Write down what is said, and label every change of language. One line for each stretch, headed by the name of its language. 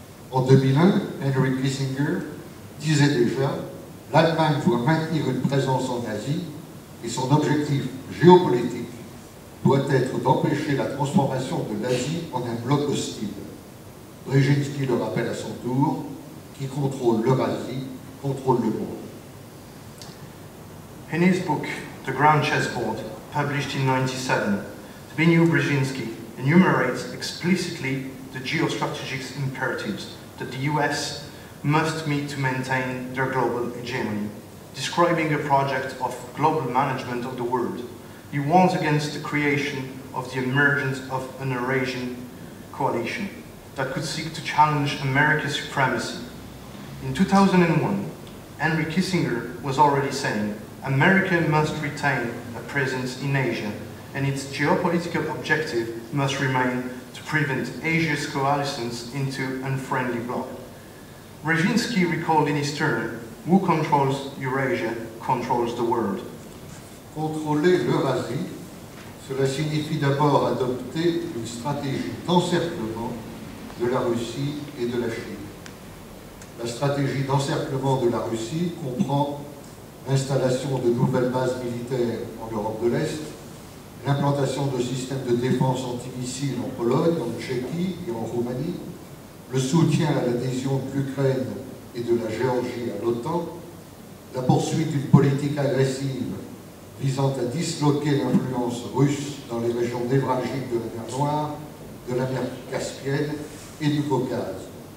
French: En 2001, Henry Kissinger disait déjà: l'Allemagne doit maintenir une présence en Asie et son objectif géopolitique doit être d'empêcher la transformation de l'Asie en un bloc hostile. Brzezinski le rappelle à son tour, qui contrôle l'Eurasie, contrôle le monde.
English: In his book, The Grand Chessboard, published in 1997, Zbigniew Brzezinski enumerates explicitly the geostrategic imperatives that the US must meet to maintain their global hegemony, describing a project of global management of the world. He warns against the creation of the emergence of an Eurasian coalition that could seek to challenge America's supremacy. In 2001, Henry Kissinger was already saying, America must retain a presence in Asia, and its geopolitical objective must remain to prevent Asia's coalescence into unfriendly bloc. Brzezinski recalled in his turn, who controls Eurasia controls the world.
French: Contrôler l'Eurasie, cela signifie d'abord adopter une stratégie d'encerclement de la Russie et de la Chine. La stratégie d'encerclement de la Russie comprend l'installation de nouvelles bases militaires en Europe de l'Est, l'implantation de systèmes de défense antimissiles en Pologne, en Tchéquie et en Roumanie, le soutien à l'adhésion de l'Ukraine et de la Géorgie à l'OTAN, la poursuite d'une politique agressive visant à disloquer l'influence russe dans les régions névralgiques de la mer Noire, de la mer Caspienne et du Caucase.